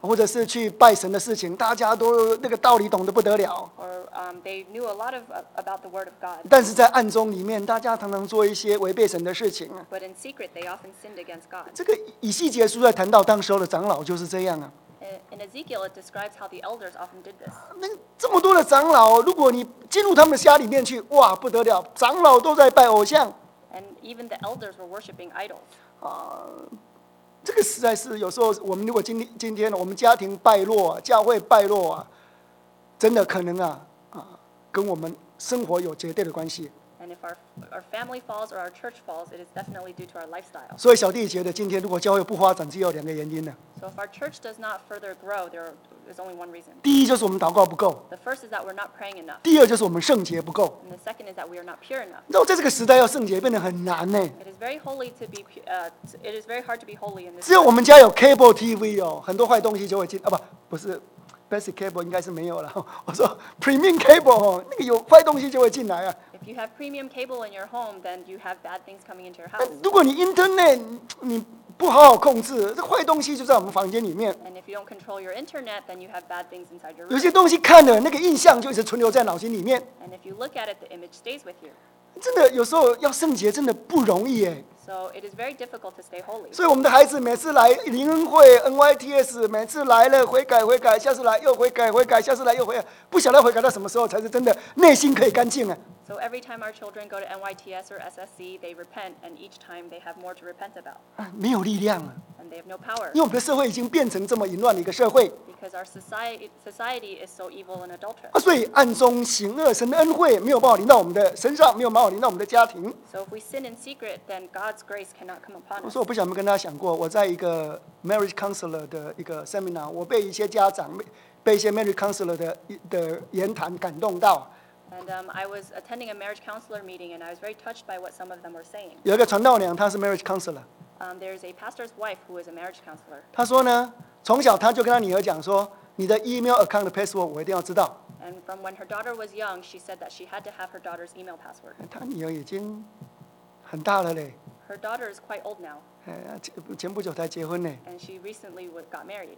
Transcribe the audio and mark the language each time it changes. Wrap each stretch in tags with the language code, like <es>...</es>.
<zh>或者是去拜神的事情，大家都那个道理懂得不得了。</zh> <en>Or they knew a lot of about the word of God.</en> <zh>但是在暗中里面，大家常常做一些违背神的事情。</zh> <en>But in secret, they often sinned against God.</en> <zh>这个以细节书在谈到当时候的长老就是这样啊。</zh> <en>In Ezekiel, it describes how the elders often did this.</en> <zh>那这么多的长老，如果你进入他们的家里面去，哇，不得了，长老都在拜偶像。</zh> <en>And even the elders were worshiping idols.</en> <zh>这个实在是有时候我们如果今天我们家庭败落，教会败落啊，真的可能跟我们生活有绝对的关系。</zh> <en>And if our family falls or our church falls, it is definitely due to our lifestyle.</en> <zh>所以小弟觉得今天如果教会不发展，只有两个原因呢。</zh> <en>So if our church does not further grow, there is only one reason.</en> <zh>第一就是我们祷告不够。</zh> <en>The first is that we're not praying enough.</en> <zh>第二就是我们圣洁不够。</zh> <en>And the second is that we are not pure enough.</en> <zh>你知道在这个时代要圣洁变得很难呢。</zh> <en>It is very holy to be, it is very hard to be holy in this.</en> <zh>只有我们家有 cable TV 哦，很多坏东西就会进啊，不是。 Basic cable 应该是没有了。我说 premium cable 那个有坏东西就会进来啊。</zh> <en>If you have premium cable in your home, then you have bad things coming into your house.</en> <zh>如果你 internet 你不好好控制，这坏东西就在我们房间里面。</zh> <en>And if you don't control your internet, then you have bad things inside your room.</en> <zh>有些东西看了那个印象就一直存留在脑筋里面。</zh> <en>And if you look at it, the image stays with you.</en> <zh>真的有时候要圣洁真的不容易哎。</zh> <en>So it is very difficult to stay holy.</en> <zh>所以我们的孩子每次来灵恩会 NYTS， 每次来了悔改悔改，下次来又悔改悔改，下次来又悔改，不晓得悔改到什么时候才是真的内心可以干净啊。</zh> <en>So every time our children go to NYTS or SSC, they repent, and each time they have more to repent about.</en> <zh>没有力量啊。</zh> <en>And they have no power.</en> <zh>因为我们的社会已经变成这么淫乱的一个社会。</zh> <en>Because our society is so evil and adulterous.</en> <zh>所以暗中行恶，神的恩惠没有办法临到我们的身上，没有办法临到我们的家庭。</zh> <en>So if we sin in secret, then God's grace cannot come upon us.</en> <zh>我说我不想跟大家讲过，我在一个 marriage counselor 的一个 seminar， 我被一些家长被一些 marriage counselor 的言谈感动到。</zh> <en>And I was attending a marriage counselor meeting, and I was very touched by what some of them were saying.</en> <zh>有一个传道娘，她是 marriage counselor.</zh> <en>There's a pastor's wife who is a marriage counselor.</en> <zh>她说呢，从小她就跟她女儿讲说，你的 email account 的 password 我一定要知道。</zh> <en>And from when her daughter was young, she said that she had to have her daughter's email password.</en> <zh>她女儿已经很大了嘞。</zh> <en>Her daughter is quite old now.</en> <zh>前不久才结婚呢。</zh> <en>And she recently got married.</en>